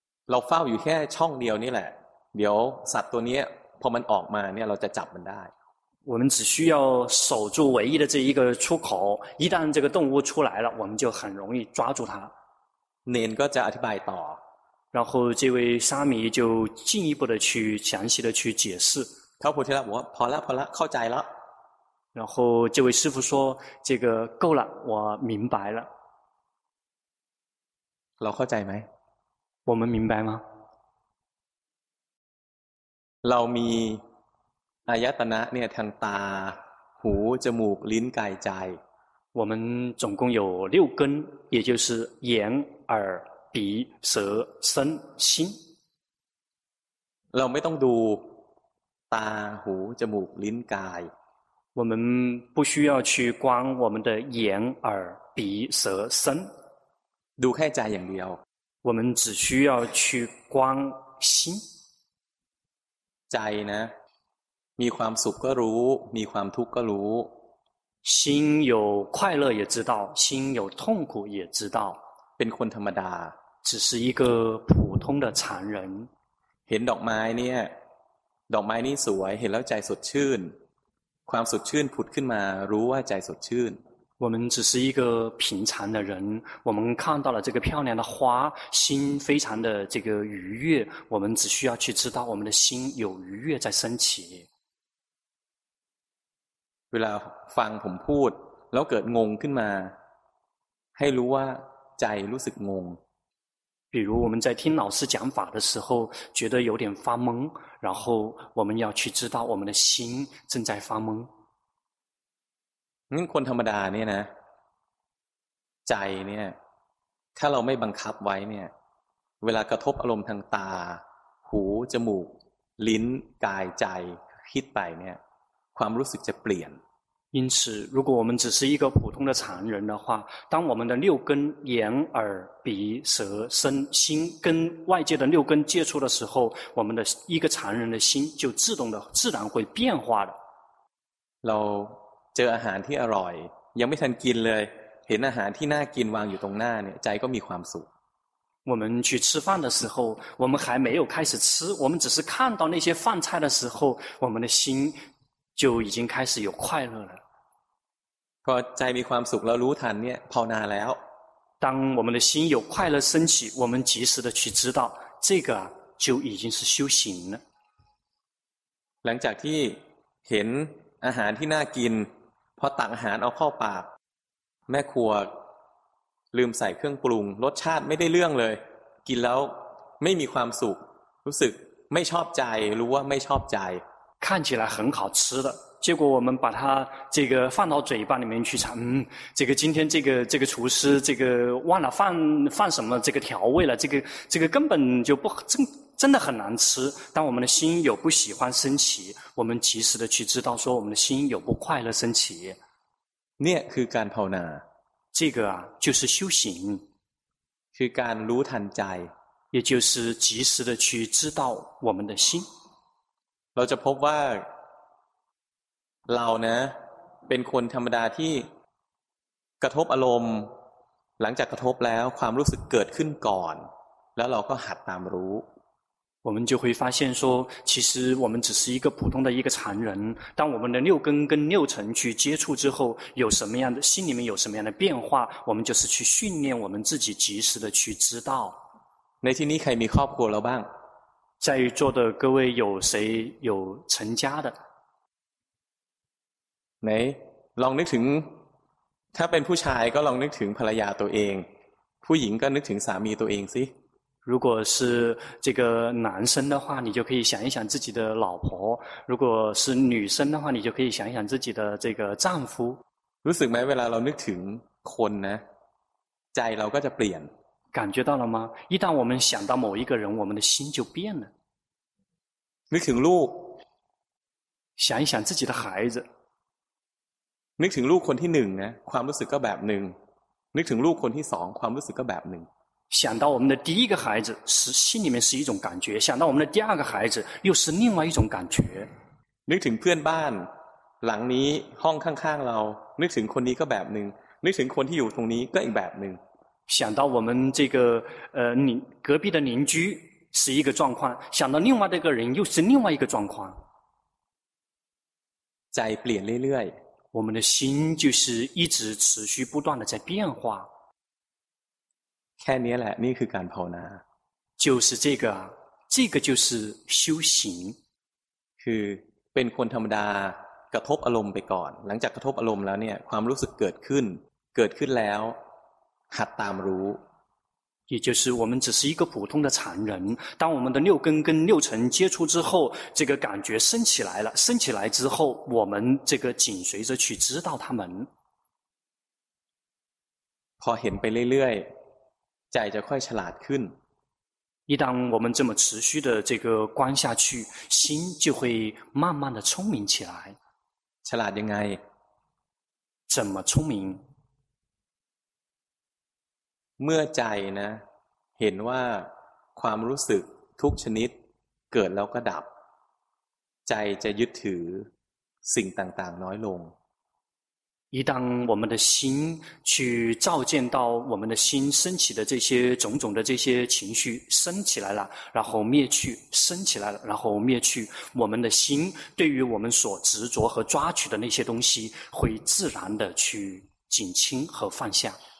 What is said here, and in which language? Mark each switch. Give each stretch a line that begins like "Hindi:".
Thai: เราเฝ้าอยู่แค่ช่องเดียวนี่แหละเดี๋ยวสัตว์ตัวนี้พอมันออกมาเนี่ยเราจะจับมันได้
Chinese: 我们只需要守住唯一的这一个出口一旦这个动物出来了我们就很容易抓住它
Thai: เนนก็จะอธิบายต่อ
Chinese: 然后这位沙弥就进一步的去详细的去解释
Thai: พระโพธิละบอกว่าพอละเข้าใจละ
Chinese: 然后这位师父说这个够了我明白了
Thai: เราเข้าใจไหม
Chinese: 我们明白吗
Thai: เรามีอายตนะเนี่ยทางตาหูจมูกลิ้นกายใจ
Chinese: 我们总共有六根，也就是眼、耳、鼻、舌、身、心。
Thai: เราไม่ต้องดูตาหูจมูกลิ้นกาย。
Chinese: 我们不需要去观我们的眼、耳、鼻、舌、身。
Thai: ดูแค่ใจอย่างเดียว。
Chinese: 我们只需要去观心。
Thai: ใจนะมีความสุขก็รู้มีความทุกข์ก็รู้
Chinese: 心有快乐也知道心有痛苦也知道
Thai: เป็นคนธรรมดา
Chinese: 只是一个普通的常人
Thai: เห็นดอกไม้เนี่ยดอกไม้นี่สวยเห็นแล้วใจสดชื่นความสดชื่นผุดขึ้นมารู้ว่าใจสดชื่น
Chinese: 我们只是一个平常的人我们看到了这个漂亮的花心非常的这个愉悦我们只需要去知道我们的心有愉悦在升起
Thai: เวลาฟังผมพูดแล้วเกิดงงขึ้นมาให้รู้ว่าใจรู้สึกงง
Chinese: 比如我们在听老师讲法的时候觉得有点发懵然后我们要去知道我们的心正在发懵
Thai: งั้นคนธรรมดาเนี่ยนะใจเนี่ยถ้าเราไม่บังคับไว้เนี่ยเวลากระทบอารมณ์ทางตาหูจมูกลิ้นกายใจคิดไปเนี่ยความรู้สึกจะเปลี่ยน
Chinese: 因此如果我们只是一个普通的常人的话当我们的六根眼耳鼻舌身心跟外界的六根接触的时候我们的一个常人的心就自然会变化的
Thai: เราเจออาหารที่อร่อยยังไม่ทันกินเลยเห็นอาหารที่น่ากินวางอยู่ตรงหน้าเนี่ยใจก็มีความสุข
Chinese: 我们去吃饭的时候我们还没有开始吃我们只是看到那些饭菜的时候我们的心就已经开始有快乐了。
Thai: พอใจมีความสุขแล้วรู้ทันเนี่ยภาวนาแล้ว
Chinese: 当我们的心有快乐升起我们及时的去知道这个就已经是修行了。
Thai: หลังจากที่เห็นอาหารที่น่ากินพอตักอาหารเอาเข้าปากแม่ครัวลืมใส่เครื่องปรุงรสชาติไม่ได้เรื่องเลยกินแล้วไม่มีความสุขรู้สึกไม่ชอบใจรู้ว่าไม่ชอบใจ
Chinese: 看起来很好吃的结果我们把它这个放到嘴巴里面去尝这个今天这个厨师这个忘了放什么这个调味了这个根本就不真的很难吃当我们的心有不喜欢升起我们及时的去知道说我们的心有不快乐升起
Thai: เนี่ยคือการภาวนา
Chinese: 这个啊就是修行
Thai: คือการรู้ทันใจ
Chinese: 也就是及时的去知道我们的心
Thai: เราจะพบว่าเรานะเป็นคนธรรมดาที่กระทบอารมณ์หลังจากกระทบแล้วความรู้สึกเกิดขึ้นก่อนแล้วเราก็หัดตามรู้
Chinese: 我们就会发现说其实我们只是一个普通的一个常人当我们的六根跟六尘去接触之后有什么样的心里面有什么样的变化我们就是去训练我们自己及时的去知道
Thai: ในที่นี้ใครมีครอบครัวแล้วบ้าง
Chinese: 在座的各位有谁有成家的没
Thai: ลองนึกถึงถ้าเป็นผู้ชายก็ลองนึกถึงภรรยาตัวเองผู้หญิงก็นึกถึงสามีตัวเองสิ
Chinese: 如果是这个男生的话你就可以想一想自己的老婆如果是女生的话你就可以想一想自己的这个丈夫
Thai: รู้สึกไหมเวลาเรานึกถึงคนนะใจเราก็จะเปลี่ยน
Chinese: 感觉到了吗一旦我们想到某一个人我们的心就变了
Thai: นึกถึงลูก
Chinese: 想一想自己的孩子
Thai: นึกถึงลูกคนที่หนึ่งนะความรู้สึกก็แบบหนึ่งนึกถึงลูกคนที่สองความรู้สึกก็แบบหนึ่ง
Chinese: 想到我们的第一个孩子是心里面是一种感觉想到我们的第二个孩子又是另外一种感觉
Thai: นึกถึงเพื่อนบ้านหลังนี้ห้องข้างๆเรานึกถึงคนนี้ก็แบบหนึ่งนึกถึงคนที่อยู่ตรงนี้ก็อีกแบบหนึ่ง
Chinese: 想到我们这个隔壁的邻居是一个状况想到另外的一个人又是另外一个状况在
Thai: เปลี่ยนเรื่อย
Chinese: ๆ我们的心就是一直持续不断的在变化
Thai: แค่นี้แหละนี่คือการภาวนา
Chinese: 就是这个就是修行
Thai: คือเป็นคนธรรมดากระทบอารมณ์ไปก่อนหลังจากกระทบอารมณ์แล้วเนี่ยความรู้สึกเกิดขึ้นแล้วหัดตามรู้
Chinese: 也就是我们只是一个普通的常人当我们的六根跟六尘接触之后这个感觉升起来了升起来之后我们这个紧随着去知道他们
Thai: พอเห็นไปเรื่อยๆใจจะค่อยฉลาดขึ้น
Chinese: 一旦我们这么持续的这个观下去，心就会慢慢的聪明起来。
Thai: ฉลาดยังไง？
Chinese: 怎么聪明？
Thai: เมื่อใจนะเห็นว่าความรู้สึกทุกชนิดเกิดแล้วก็ดับใจจะยึดถือสิ่งต่างๆน้อยลง
Chinese: 一旦我们的心去照见到我们的心升起的这些种种的这些情绪升起来了然后灭去升起来了然后灭去我们的心对于我们所执着和抓取的那些东西会自然的去减轻和放下